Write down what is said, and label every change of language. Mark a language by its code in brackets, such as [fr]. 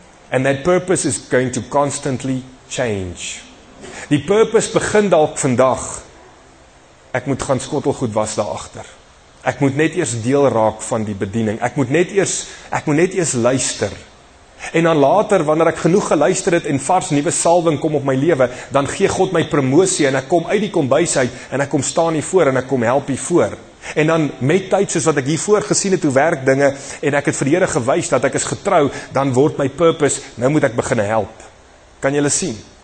[en] And that purpose is going to constantly change. [af] Die purpose begin dalk vandag. Ek moet gaan skottelgoed was daar agter. Ek moet net eers deel raak van die bediening. Ek moet net eers luister. En dan later, wanneer ek genoeg geluister het en vars nuwe salwing kom op my lewe, dan gee God my promosie en ek kom uit die kombuis uit en ek kom staan hier voor en ek kom help hier voor. En dan met tyd, soos wat ek hiervoor gesien het hoe werk dinge en ek het vir die Here gewys dat ek is getrou, dan word my purpose, nou moet ek begin help. Kan julle sien?